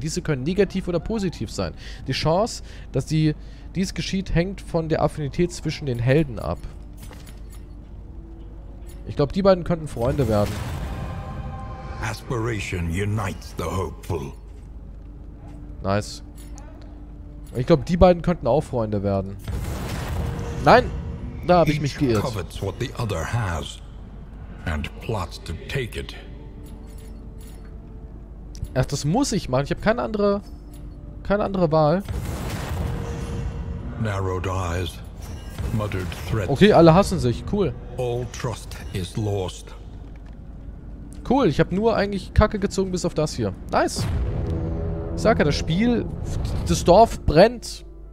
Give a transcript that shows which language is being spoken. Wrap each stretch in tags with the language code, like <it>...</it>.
<de>Diese können negativ oder positiv sein. Die Chance, dass dies geschieht, hängt von der Affinität zwischen den Helden ab. Ich glaube, die beiden könnten Freunde werden.</de> <en>Aspiration unites the hopeful. Nice.</en> <de>Ich glaube, die beiden könnten auch Freunde werden. Nein! Da habe ich mich geirrt.</de> <en>Each covets what the other has and plots to take it.</en> <de>Ach, das muss ich machen. Ich habe keine andere Wahl.</de> <en>Narrowed eyes, muttered threats.</en> <de>Okay, alle hassen sich. Cool.</de> <en>All trust is lost.</en> <de>Cool, ich habe nur eigentlich Kacke gezogen bis auf das hier. Nice. Ich sag ja, das Spiel, das Dorf brennt.</de>